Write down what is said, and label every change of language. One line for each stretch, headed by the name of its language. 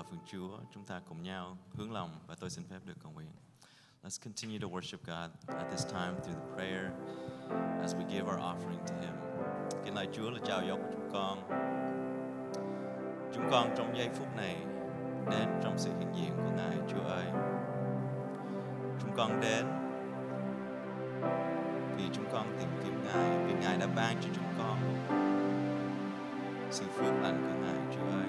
Vietnamese: Chúa, chúng ta cùng nhau hướng lòng và tôi xin phép được cầu nguyện.
English: Let's continue to worship God at this time through the prayer as we give our offering to Him.
Vietnamese: Kính lạy Chúa, là chào dâu của chúng con. Chúng con trong giây phút này đến trong sự hiện diện của Ngài, Chúa ơi. Chúng con đến vì chúng con tìm kiếm Ngài, vì Ngài đã ban cho chúng con sự phước lành của Ngài, Chúa ơi.